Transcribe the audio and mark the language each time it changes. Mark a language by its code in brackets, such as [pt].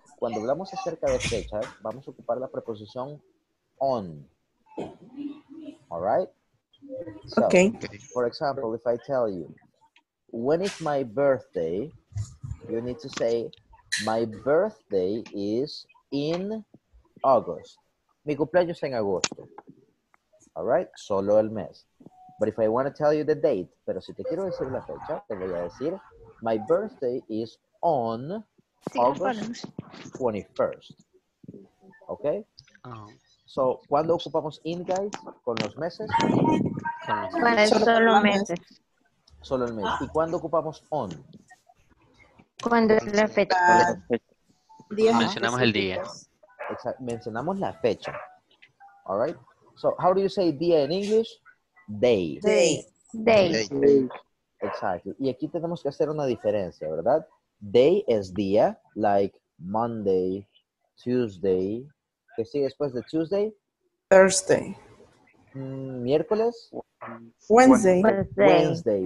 [es] Cuando hablamos acerca de fechas, vamos a ocupar la preposición on. [en] All right? So, okay. For example, if I tell you, when is my birthday? You need to say, my birthday is in August. [es] Mi cumpleaños en agosto. [en] All right? [es] Solo el mes. [en] But if I want to tell you the date, [es] pero si te quiero decir la fecha, te voy a decir, [en] my birthday is on August 21st. Okay? [es] So, ¿cuándo ocupamos in, guys? ¿Con los meses? Solo meses. Solo el mes. ¿Y cuándo ocupamos on? Cuando es la fecha. Mencionamos el día. Exacto. Mencionamos la fecha. [en] All right? So, how do you say día in English? Day. Day. Day. Exactly. [es] Y aquí tenemos que hacer una diferencia, ¿verdad? Day es día, like Monday, Tuesday. ¿Qué sigue después de Tuesday? [en] Thursday. [es] ¿Miércoles? [en] Wednesday. Wednesday. Very